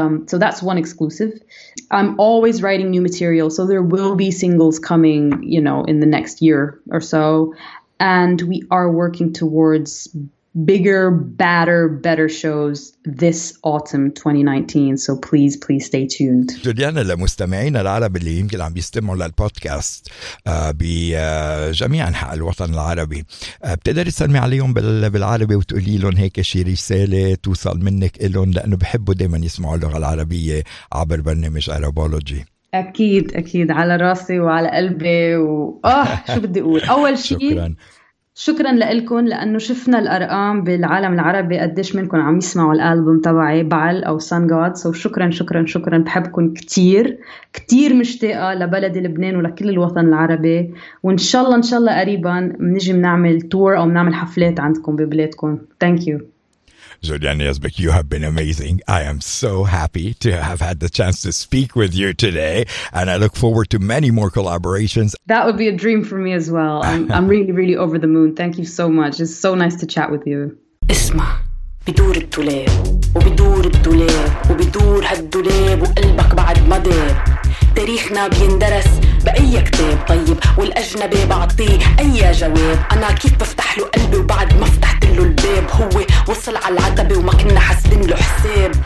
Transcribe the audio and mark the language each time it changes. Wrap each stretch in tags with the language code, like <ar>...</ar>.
<en>So that's one exclusive. I'm always writing new material. So there will be singles coming, you know, in the next year or so. And we are working towards bigger, badder, better shows this autumn 2019. So please, please stay tuned.</en> <ar>Juliana, للمستمعين العرب اللي يمكن عم بيستمعوا للبودكاست بجميع أنحاء الوطن العربي, بتقدر تسلمي عليهم بالعربي وتقولي لهم هيك شي رسالة توصل منك لهم, لأنه بحبوا دايما يسمعوا اللغة العربية عبر برنامج Arabology. أكيد أكيد, على راسي وعلى قلبي. شو بدي أقول؟ أول شيء, شكرا. شكرا لكم لانه شفنا الارقام بالعالم العربي قديش منكم عم يسمعوا الالبوم تبعي بعل او سان جودز. وشكرا شكرا شكرا, بحبكم كتير كتير, مشتاقه لبلدي لبنان ولكل الوطن العربي, وان شاء الله ان شاء الله قريبا بنجي بنعمل تور او بنعمل حفلات عندكم ببلادكم.</ar> <en>Thank you. Juliana Yazbeck, you have been amazing. I am so happy to have had the chance to speak with you today, and I look forward to many more collaborations. That would be a dream for me as well. I'm really, really over the moon. Thank you so much. It's so nice to chat with you.</en> <ar>اسمع بدور الدولاب وبدور الدولاب وبدور هالدولاب وقلبك بعد ما داب. تاريخنا بيندرس بأي كتاب طيب, والأجنبي بعطي أي جواب. أنا كيف بفتح له قلبي وبعد ما فتحت له الباب, هو وصل على العتبة وما كنا حاسبين له حساب.</ar>